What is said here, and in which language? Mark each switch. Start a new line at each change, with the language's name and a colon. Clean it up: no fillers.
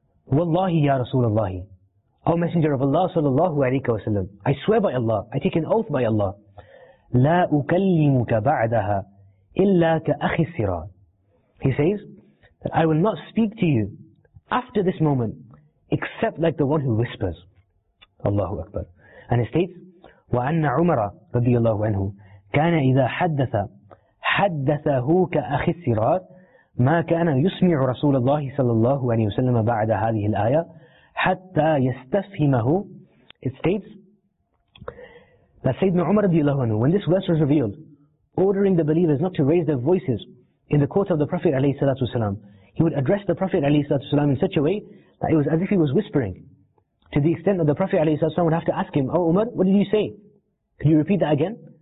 Arabic: وَاللَّهِ يَا رَسُولَ اللَّهِ,
English: O Messenger of Allah sallallahu alayka wa sallam, I swear by Allah, I take an oath by Allah,
Arabic: لَا أُكَلِّمُكَ بَعْدَهَا إِلَّا كَأَخِ السِّرَاطِ,
English: he says that I will not speak to you after this moment except like the one who whispers.
Arabic: Allahu Akbar.
English: And it states,
Arabic: وَأَنَّ عُمَرَ رَضِيَ اللَّهُ عَنْهُ كَانَ إِذَا حَدَّثَ حَدَّثَهُ كَأَخِ السِّرَاطِ مَا كَانَ يُسْمِعُ رَسُولَ اللَّهِ صَلَى اللَّهُ عَلَيْهِ وَسَلَّمَ بَعْدَ هَذِهِ الْآيَةِ حَتَّى يَسْتَفْهِمَهُ.
English: It states that Sayyidina Umar رضي الله عنه, when this verse was revealed, ordering the believers not to raise their voices in the court of the Prophet عليه الصلاة والسلام, he would address the Prophet عليه الصلاة والسلام in such a way that it was as if he was whispering, to the extent that the Prophet عليه الصلاة والسلام would have to ask him, Oh Umar, what did you say? Can you repeat that again?